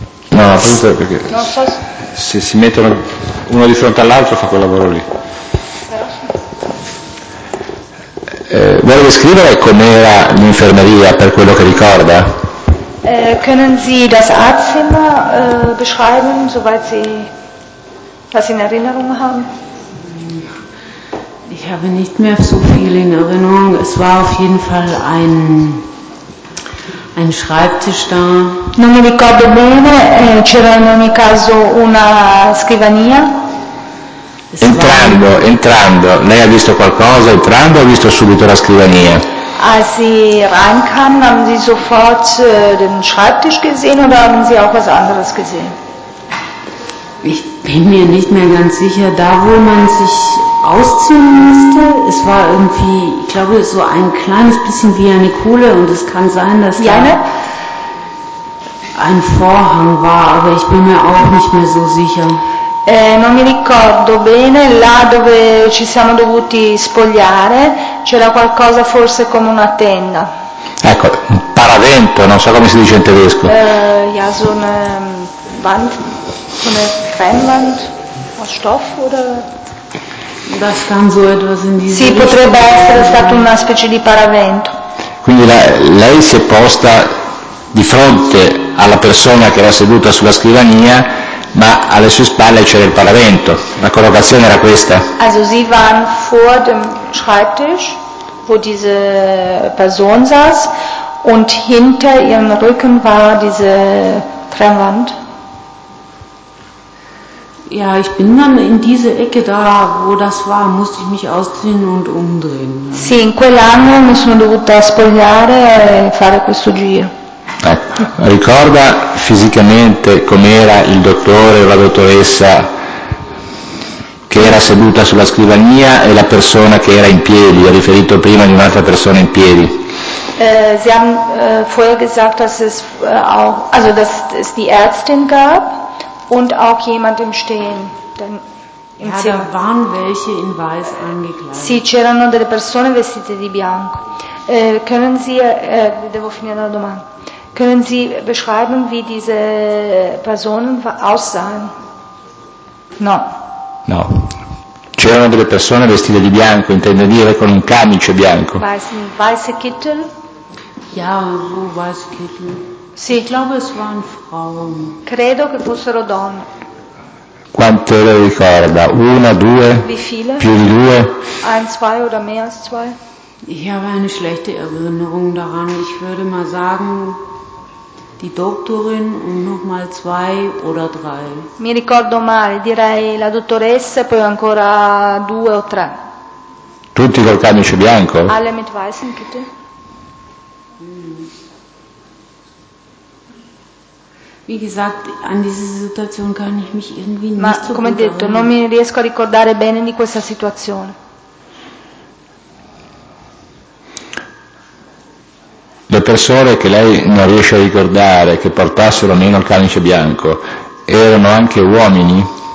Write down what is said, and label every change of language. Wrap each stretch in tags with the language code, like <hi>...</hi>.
<it>No, appunto perché se si mettono uno di fronte all'altro fa quel lavoro lì. Vuole descrivere com'era l'infermeria per quello che ricorda?</it> <de>Können Sie das Arztzimmer beschreiben, soweit Sie das in Erinnerung haben? Ich habe nicht mehr so viel in Erinnerung. Es war auf jeden Fall ein Schreibtisch da.</de> <it>Non mi ricordo bene, c'era in ogni caso una scrivania. Entrando, lei ha visto qualcosa? Entrando ha visto subito la scrivania?</it> <de>Als sie reinkamen, haben sie sofort den Schreibtisch gesehen oder haben sie auch was anderes gesehen? Ich bin mir nicht mehr ganz sicher. Da, wo man sich ausziehen musste, es war irgendwie, ich glaube, so ein kleines bisschen wie eine Kuhle und es kann sein, dass ja, da ein Vorhang war, aber ich bin mir auch nicht mehr so sicher.</de> <it>Non mi ricordo bene, là dove ci siamo dovuti spogliare, c'era qualcosa forse come una tenda. Ecco, un paravento, non so come si dice in tedesco.</it> <de>Ja, so eine Wand, so eine Trennwand, aus Stoff, oder? Das kann so etwas in diese</de> <it>sì, potrebbe</it> <de>Richtung</de> <it>essere stato una specie di paravento. Quindi lei si è posta di fronte alla persona che era seduta sulla scrivania, ma alle sue spalle c'era il paravento. La collocazione era questa.</it> <de>Also sie waren vor dem Schreibtisch, wo diese Person saß, und hinter ihrem Rücken war diese Trennwand. Ja, ich bin dann in diese Ecke da, wo das war, musste ich mich ausziehen und umdrehen.</de> <it>Sì, in quell'angolo mi sono dovuta spogliare e fare questo giro. Ricorda fisicamente com'era il dottore o la dottoressa che era seduta sulla scrivania e la persona che era in piedi, ha riferito prima di un'altra persona in piedi.</it> <de>Sie haben vorher gesagt, dass es auch, also dass es die Ärztin gab und auch jemand im Stehen. Denn im ja, da waren welche in weiß angekleidet.</de> <it>Sì, c'erano delle persone vestite di bianco.</it> <de>Können Sie,</de> <it>devo finire la domanda.</it> <de>Können Sie beschreiben, wie diese Personen aussahen?</de> <it>No. No. C'erano delle persone vestite di bianco, intende dire con un camice bianco.</it> <de>Weiße Kittel? Ja, so weiße Kittel.</de> <it>Sì.</it> <de>Ich glaube, es waren Frauen.</de> <it>Credo che fossero donne. Quante le ricorda? Una, due?</it> <de>Wie viele?</de> <it>Più di due?</it> <de>Ein, zwei oder mehr als zwei? Ich habe eine schlechte Erinnerung daran. Ich würde mal sagen, die Doktorin und nochmal zwei oder drei.</de> <it>Mi ricordo male, direi la dottoressa e poi ancora due o tre. Tutti col camice bianco?</it> <de>Alle mit weißen Kittel. Wie gesagt, an diese Situation kann ich mich irgendwie nicht</de> <it>ma, so come gut detto, erinnern. Non mi riesco a ricordare bene di questa situazione. Le persone che lei non riesce a ricordare che portassero meno il camice bianco erano anche uomini?</it>